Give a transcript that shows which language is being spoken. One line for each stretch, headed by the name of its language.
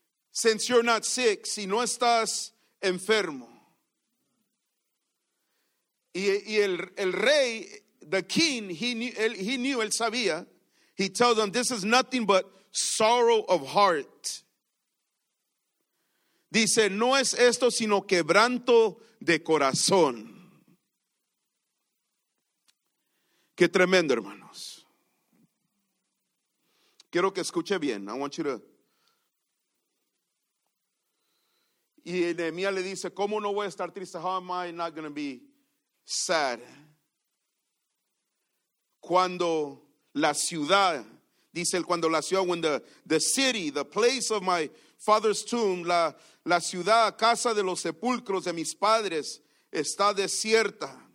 English: Since you're not sick,
Spanish: si no estás enfermo. Y el rey,
English: the king, he knew,
Spanish: él sabía.
English: He tells them, this is nothing but sorrow of heart.
Spanish: Dice, no es esto sino quebranto de corazón. Qué tremendo, hermanos. Quiero que escuche bien.
English: I want you to.
Spanish: Y Nehemías le dice, ¿cómo no voy a estar triste?
English: How am I not going to be sad?
Spanish: Cuando la ciudad, dice él, cuando la ciudad,
English: when the city, the place of my father's tomb,
Spanish: la ciudad, casa de los sepulcros de mis padres, está desierta.